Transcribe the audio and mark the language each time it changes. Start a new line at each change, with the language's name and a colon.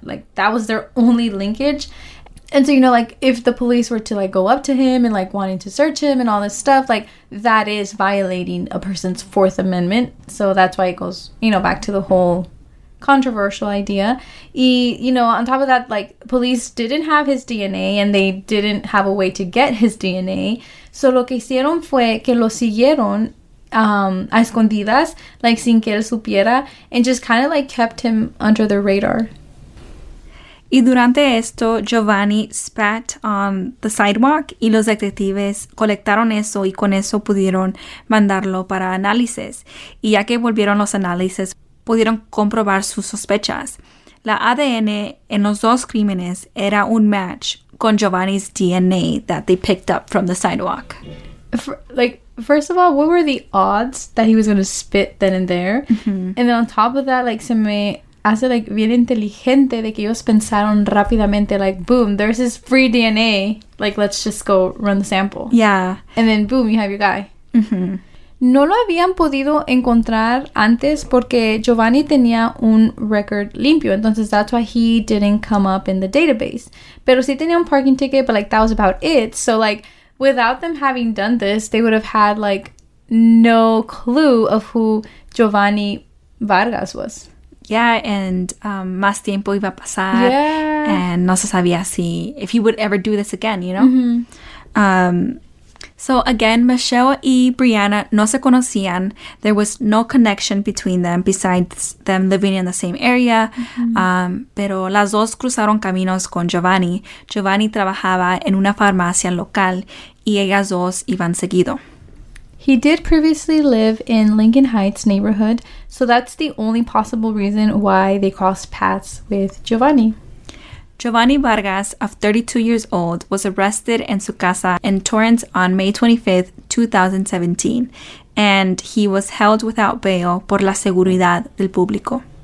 English: Like, that was their only linkage. And so, you know, like, if the police were to, like, go up to him and, like, wanting to search him and all this stuff, like, that is violating a person's Fourth Amendment. So that's why it goes, you know, back to the whole controversial idea. He, you know, on top of that, like, police didn't have his DNA and they didn't have a way to get his DNA.
Spanish: So lo que hicieron fue que lo siguieron a escondidas, like, sin que él supiera,
English: and just kind of, like, kept him under the radar.
Spanish: Y durante esto, Giovanni
English: spat on the sidewalk
Spanish: y los detectives colectaron eso y con eso pudieron mandarlo para análisis. Y ya que volvieron los análisis, pudieron comprobar sus sospechas. La ADN en los dos crímenes era un match con
English: Giovanni's DNA that they picked up from the sidewalk. First of all, what were the odds that he was going to spit then and there? Mm-hmm. And then on top of that, like,
Spanish: se me hace,
English: like,
Spanish: bien inteligente de que ellos pensaron rápidamente,
English: like, boom, there's this free DNA. Like, let's just go run the sample. Yeah. And then, boom, you have your guy. Mm-hmm.
Spanish: No lo habían podido encontrar antes porque Giovanni tenía un record limpio.
English: Entonces, that's why he didn't come up in the database.
Spanish: Pero sí tenía un
English: parking ticket, but, like, that was about it. So, like, without them having done this, they would have had, like, no clue of who Giovanni Vargas was. Yeah, and
Spanish: más tiempo iba a pasar.
English: Yeah. And
Spanish: no se sabía si,
English: if he would ever do this again, you know? Mm-hmm. So again,
Spanish: Michelle y Brianna no se conocían.
English: There was no connection between them besides them living in the same area. Mm-hmm.
Spanish: Pero las dos cruzaron caminos con Giovanni. Giovanni trabajaba en una farmacia local y ellas dos iban seguido.
English: He did previously live in Lincoln Heights neighborhood, so that's the only possible reason why they crossed paths with Giovanni. Giovanni Vargas, of 32 years old, was arrested in
Spanish: su casa
English: in Torrance on May 25th, 2017, and he was held without bail
Spanish: por la seguridad del público.